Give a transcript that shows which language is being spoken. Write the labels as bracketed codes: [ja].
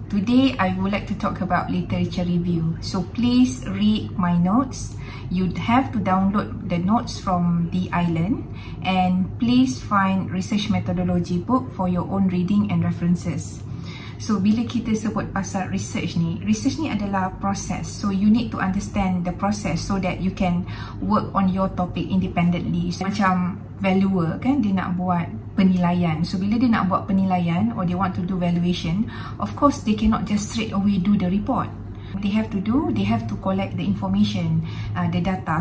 [en] Today, I would like to talk about literature review. So please read my notes. You'd have to download the notes from the island. And please find research methodology book for your own reading and references. [ms] So bila kita sebut pasal research ni adalah proses. [en] So you need to understand the process so that you can work on your topic independently. [ms] So, macam valuer kan, dia nak buat penilaian. [en] So [ms] bila dia nak buat penilaian [en] or they want to do valuation, of course they cannot just straight away do the report. They have to collect the information, the data.